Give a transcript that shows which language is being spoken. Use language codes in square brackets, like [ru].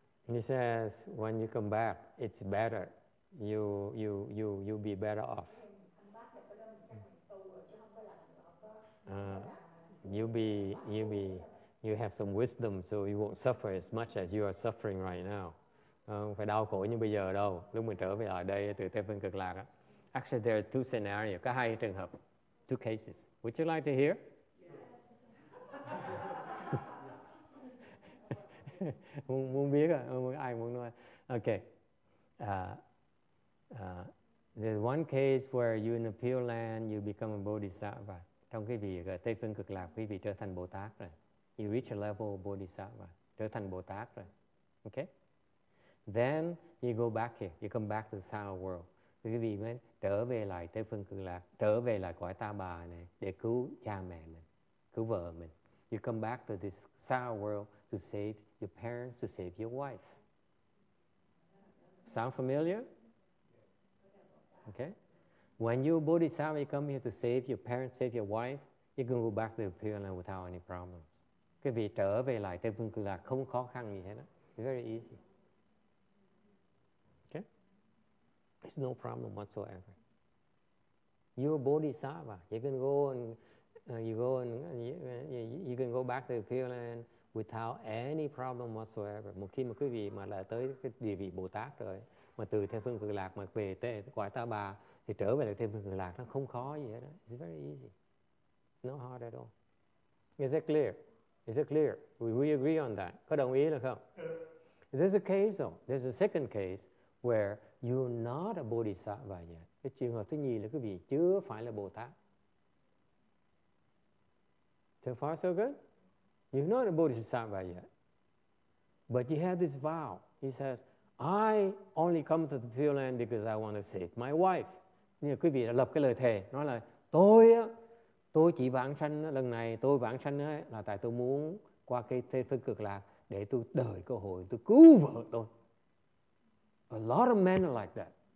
[en] He says, when you come back, it's better. You'll be better off. You have some wisdom, so you won't suffer as much as you are suffering right now. [vi] Phải đau khổ như bây giờ đâu. Lúc mình trở về ở đây từ Tây Phương Cực Lạc á. [en] Actually, there are two scenarios. [vi] Có hai trường hợp. [en] Two cases. Would you like to hear? [vi] Muốn biết à? Ai muốn nói? Okay. [en] There's one case where you in the Pure Land, you become a Bodhisattva. [vi] Trong cái vị Tây Phương Cực Lạc, quý vị trở thành Bồ Tát rồi. [en] You reach a level of Bodhisattva. [vi] Trở thành Bồ Tát rồi. [en] Okay? Then you go back here. You come back to the sound world. [vi] Quý vị mới trở về lại Tây Phương Cực Lạc, trở về lại cõi ta bà này để cứu cha mẹ mình, cứu vợ mình. [en] You come back to this sound world to save your parents, to save your wife. Sound familiar? Okay. When you Bodhisattva, you come here to save your parents, save your wife, you can go back to the Pure Land without any problems. [vi] Quý vị trở về lại Tây Phương Cực Lạc không khó khăn gì hết á. [en] Very easy. Okay? It's no problem whatsoever. You're a Bodhisattva. You can go and you can go back to the Pure Land without any problem whatsoever. [vi] Một khi mà quý vị mà đã tới cái địa vị Bồ Tát rồi, mà từ Tây Phương Cực Lạc mà về tới cõi Ta Bà thì trở về lại Tây Phương Cực Lạc nó không khó gì hết. [en] It's very easy. No hard at all. Is that clear? Is that clear? We agree on that. [vi] Có đồng ý là không? [en] There's a case though. There's a second case where you're not a Bodhisattva yet. [vi] Cái trường hợp thứ nhì là quý vị chưa phải là Bồ Tát. [en] So far so good? You're not a Bodhisattva yet. But you have this vow. He says, I only come to the Pure Land because I want to save my wife. [vi] Như quý vị đã lập cái lời thề, nói là tôi chỉ vãng sanh lần này, tôi vãng sanh là tại tôi muốn qua cái Tây Phương Cực Lạc để tôi đợi cơ hội, tôi cứu vợ tôi. [en] A lot of men are like that.